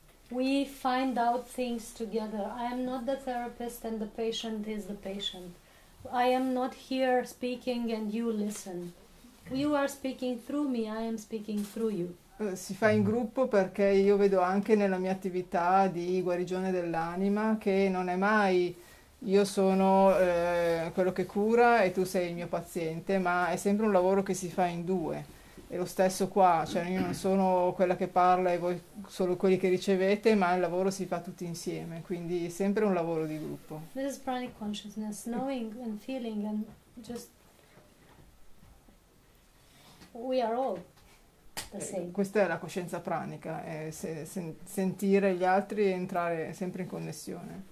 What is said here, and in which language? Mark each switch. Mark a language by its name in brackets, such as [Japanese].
[English] We find out things together. I am not the therapist and the patient is the patient. I am not here speaking and you listen. You are speaking through me, I am speaking through you. [Italian] Si fa in gruppo perché io vedo anche nella mia attività di guarigione dell'anima che non è mai io sono quello che cura e tu sei il mio paziente, ma è sempre un lavoro che si fa in due. E lo stesso qua, cioè io non sono quella che parla e voi solo quelli che ricevete, ma il lavoro si fa tutti insieme, quindi è sempre un lavoro di gruppo. [English] This is pranic consciousness, knowing and feeling and just we are all the same. [Italian] Questa è la coscienza pranica, è sentire gli altri e entrare sempre in connessione.